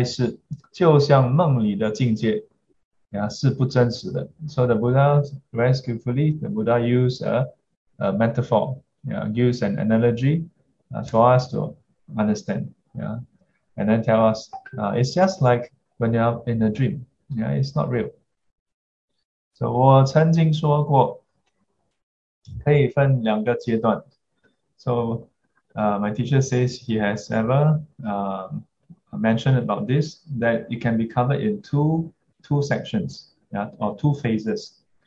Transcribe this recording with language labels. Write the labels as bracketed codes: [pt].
[zh] 所以佛以比喻开示，就像梦里的境界, 是不真实的. [en] So the Buddha very skillfully, the Buddha use a metaphor, use an analogy for us to understand, and then tell us it's just like when you're in a dream, it's not real. So, [zh] 我曾经说过，可以分两个阶段. [en] So, my teacher says he has ever mentioned about this, that it can be covered in two sections, or two phases.